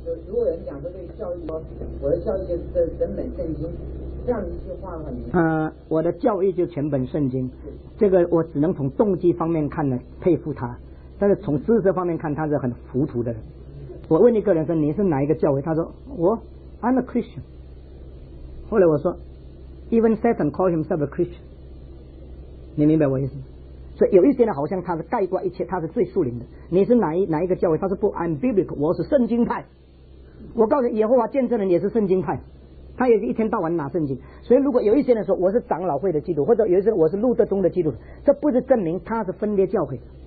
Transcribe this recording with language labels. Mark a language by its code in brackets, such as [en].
[zh] 如果人讲这个教义，我的教义就是整本圣经，这样一句话很明显。我的教义就全本圣经，这个我只能从动机方面看呢，佩服他。但是从知识方面看，他是很糊涂的人。我问一个人说，你是哪一个教会？他说我 [en] I'm a Christian。 [zh] 后来我说 [en] Even Satan calls himself a Christian。 [zh] 你明白我意思吗？所以有一些人好像他是概括一切，他是最属灵的。你是哪一个教会？他说不 [en] I'm biblical， [zh] 我是圣经派。我告诉你，耶和华见证人也是圣经派，他也是一天到晚拿圣经。所以如果有一些人说我是长老会的基督，或者有一些人我是路德宗的基督，这不是证明他是分裂教会。